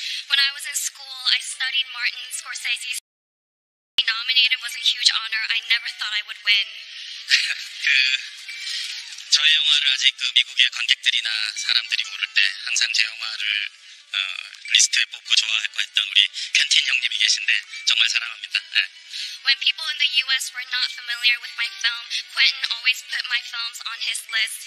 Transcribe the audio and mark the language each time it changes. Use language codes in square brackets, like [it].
[en] When I was in school, I studied Martin Scorsese's. Being nominated was a huge honor. I never thought I would win. [ko] 그 저의 영화를 아직 그 미국의 관객들이나 사람들이 모를 때 항상 제 영화를 리스트에 뽑고 좋아할 거 했던 우리 편틴 형님이 계신데 정말 사랑합니다. 예. [en] When people in the U.S. were not familiar with my film, Quentin always put my films on his list.